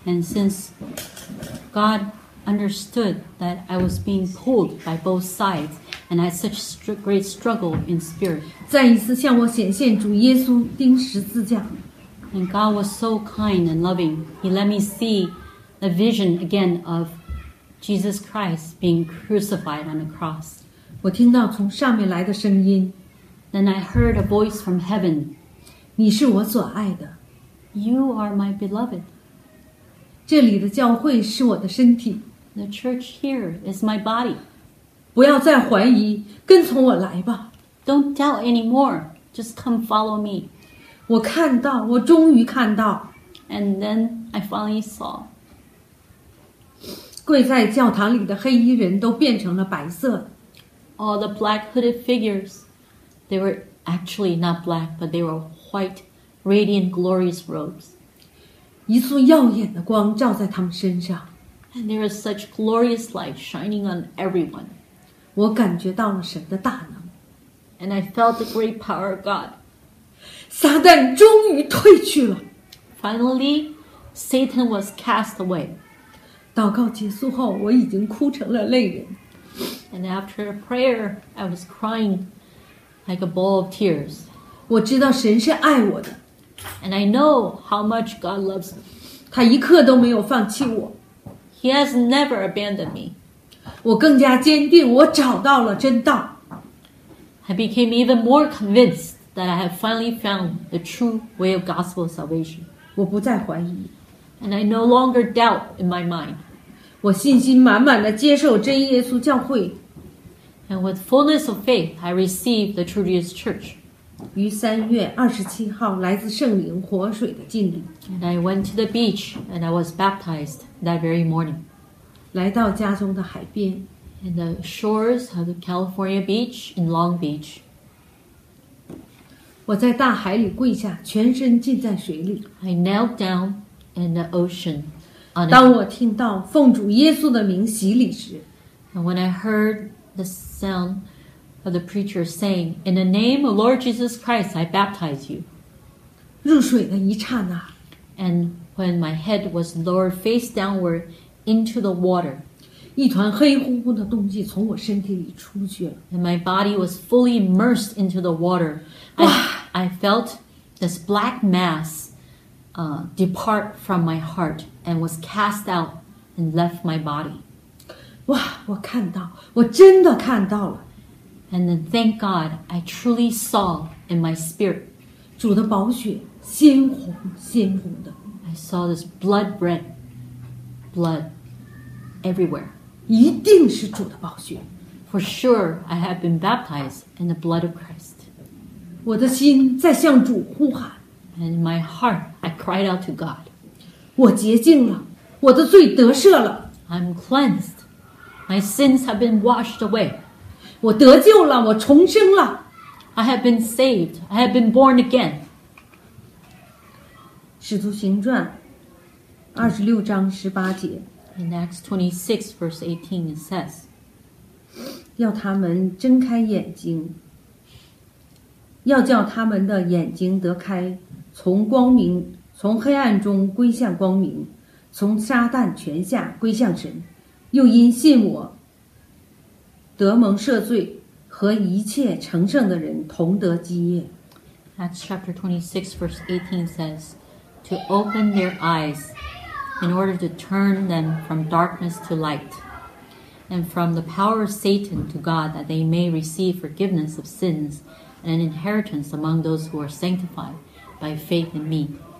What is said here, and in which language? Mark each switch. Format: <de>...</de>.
<en>And since Godunderstood that I was being pulled by both sides and I had such great struggle in spirit.</en> <zh>再一次向我显现主耶稣钉十字架。</zh> <en>And God was so kind and loving. He let me see the vision again of Jesus Christ being crucified on the cross.</en> <zh>我听到从上面来的声音。</zh> <en>Then I heard a voice from heaven.</en> <zh>你是我所爱的。</zh> <en>You are my beloved.</en> <zh>这里的教会是我的身体。</zh> <en>The church here is my body.</en> <zh>不要再怀疑，跟从我来吧。</zh> <en>Don't doubt anymore. Just come follow me.</en> <zh>我看到，我终于看到。</zh> <en>And then I finally saw.</en> <zh>跪在教堂里的黑衣人都变成了白色。</zh> <en>All the black hooded figures, they were actually not black, but they were white, radiant, glorious robes.</en> <zh>一束耀眼的光照在他们身上</zh> <en>And there is such glorious light shining on everyone.</en> <zh>我感觉到了神的大能</zh> <en>And I felt the great power of God.</en> <zh>撒旦终于退去了</zh> <en>Finally, Satan was cast away.</en> <zh>祷告结束后，我已经哭成了泪人。</zh> <en>And after a prayer, I was crying like a bowl of tears.</en> <zh>我知道神是爱我的。</zh> <en>And I know how much God loves me.</en> <zh>他一刻都没有放弃我。</zh> <en>He has never abandoned me.</en> <zh>我更加坚定，我找到了真道。</zh> <en>I became even more convinced that I have finally found the true way of gospel salvation.</en> <zh>我不再怀疑。</zh> <en>And I no longer doubt in my mind.</en> <zh>我信心满满地接受真耶稣教会。</zh> <en>And with fullness of faith, I received the true Jesus Church.</en> <zh>于3月27号来自圣灵活水的浸礼。</zh> <en>And I went to the beach and I was baptized that very morning.</en> <zh>来到加州的海边。</zh> <en>In the shores of the California beach in Long Beach.</en> <zh>我在大海里跪下，全身浸在水里。</zh> <en>I knelt down in the ocean.</en> <zh>当我听到奉主耶稣的名洗礼时。</zh> <en>And when I heard the sound of the preacher saying, In the name of Lord Jesus Christ, I baptize you.</en> <zh>入水的一刹那。</zh> <en>And when my head was lowered face downward into the water.</en> <zh>一团黑乎乎的东西从我身体里出去了。</zh> <en>And my body was fully immersed into the water. I felt this black mass, depart from my heart and was cast out and left my body.</en> <zh>哇，我看到，我真的看到了。</zh> <en>And then, thank God, I truly saw in my spirit.</en> <zh>主的宝血，鲜红鲜红的。</zh> <en>I saw this blood red, blood everywhere.</en> <zh>一定是主的宝血。</zh> <en>For sure, I have been baptized in the blood of Christ.</en> <zh>我的心在向主呼喊。</zh> <en>And in my heart, I cried out to God.</en> <zh>我洁净了，我的罪得赦了。</zh> <en>I'm cleansed. My sins have been washed away.</en> <zh>我得救了，我重生了。</zh> <en>I have been saved. I have been born again.</en> <zh>使徒行传26:18。</zh> <en>In Acts 26, verse 18, it says,</en> <zh>要他们睁开眼睛，要叫他们的眼睛得开，从光明，从黑暗中归向光明，从撒旦权下归向神，又因信我，得蒙赦罪，和一切成圣的人同得基业。</zh> <en>Acts chapter 26, verse 18 says, To open their eyes,In order to turn them from darkness to light, and from the power of Satan to God, that they may receive forgiveness of sins and an inheritance among those who are sanctified by faith in me.</en>